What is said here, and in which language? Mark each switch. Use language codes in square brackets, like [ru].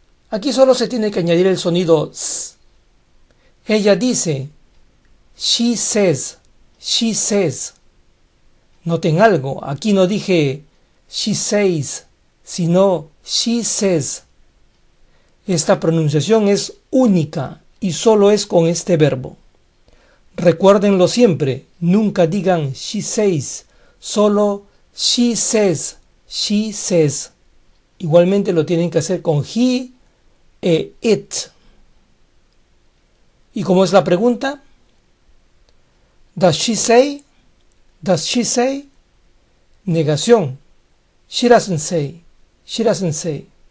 [es] Aquí solo se tiene que añadir el sonido s. Ella dice, [en] she says, she says. [es] Noten algo, aquí no dije [en] she says, [es] sino she says. Esta pronunciación es única y solo es con este verbo. Recuérdenlo siempre, nunca digan [en] she says, [es] solo [en] she says, she says. [es] Igualmente lo tienen que hacer con he e it. ¿Y cómo es la pregunta? [en] Does she say? Does she say? [es] Negación. [en] She doesn't say. She doesn't say.